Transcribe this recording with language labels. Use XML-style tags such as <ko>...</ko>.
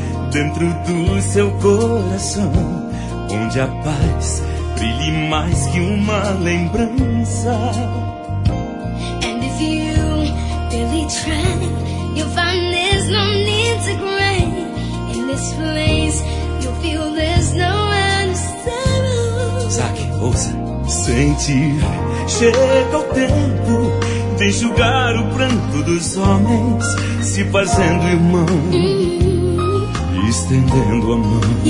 <pt>dentro do seu coração, onde a paz brilhe mais que uma lembrança.</pt> <en>And if you really try, you'll find there's no need to cry. In this place, you'll feel there's no end to sorrow.</en> <pt>Zaque, ouça. Sentir, chega o tempo de enxugar o pranto dos homens, se fazendo irmão, estendendo a mão.</pt>